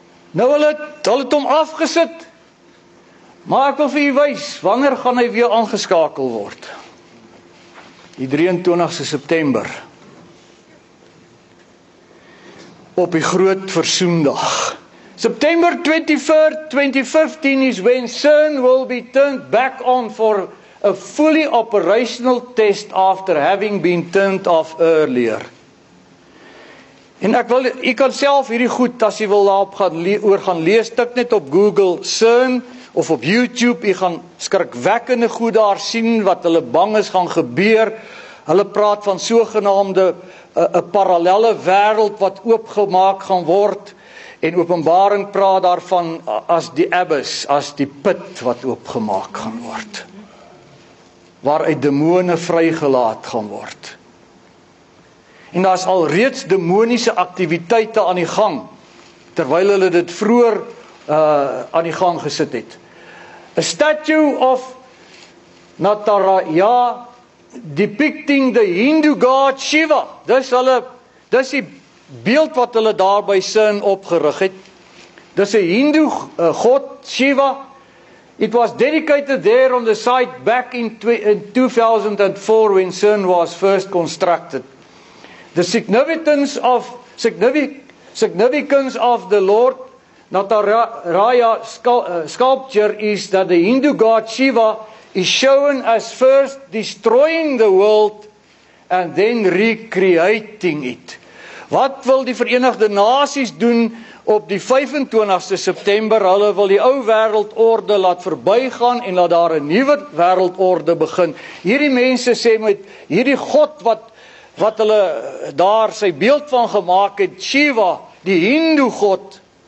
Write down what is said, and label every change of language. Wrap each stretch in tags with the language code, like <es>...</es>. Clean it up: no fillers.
<af>Nou hulle het hom afgesit, maar ek wil vir u wys, wanneer gaan hy weer aangeskakel word? Die 23ste September. Op die groot versoendag.</af> <en>September 24, 2015 is when CERN will be turned back on for a fully operational test after having been turned off earlier.</en> <af>En ek wil, jy kan self hierdie goed, as jy wil daarop gaan oor gaan lees, tik net op Google CERN of op YouTube, jy gaan skrikwekkende goed daar sien wat hulle bang is gaan gebeur. Hulle praat van sogenaamde 'n parallelle wêreld wat oopgemaak gaan word en Openbaring praat daarvan as die abyss, as die put wat oopgemaak gaan word. Waaruit demone vrygelaat gaan word. En daar's al reeds demoniese aktiwiteite aan die gang terwyl hulle dit vroeër aan die gang gesit het.</af> <en>A statue of Nataraya depicting the Hindu god Shiva.</en> <af>Dis die beeld wat hulle daar by CERN opgerig het. Dis 'n Hindu god Shiva.</af> <en>It was dedicated there on the site back in 2004 when CERN was first constructed. The significance of the Lord Nataraya sculpture is that the Hindu god Shiva is shown as first destroying the world and then recreating it.</en> <af>Wat wil die Verenigde Nasies doen op die 25ste September? Hulle wil die ou wêreldorde laat verbygaan en laat daar 'n nuwe wêreldorde begin. Hierdie mense sê met hierdie God wat hulle daar sy beeld van gemaak het, Shiva, die Hindu God.</af>